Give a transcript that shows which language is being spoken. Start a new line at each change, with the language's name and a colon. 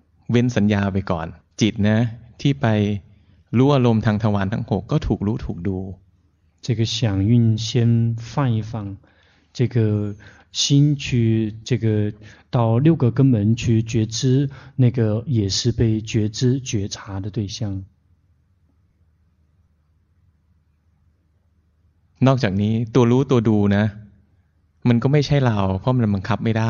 Thai: เว้นสัญญาไปก่อนจิตนะที่ไปรู้อารมณ์ทางทวารทั้ง6ก็ถูกรู้ถูกดู
Chinese: 这个想运先放一放这个心去这个到六个根门去觉知那个也是被觉知觉察的对象
Thai: นอกจากนี้ตัวรู้ตัวดูนะมันก็ไม่ใช่เราเพราะมันบังคับไม่ได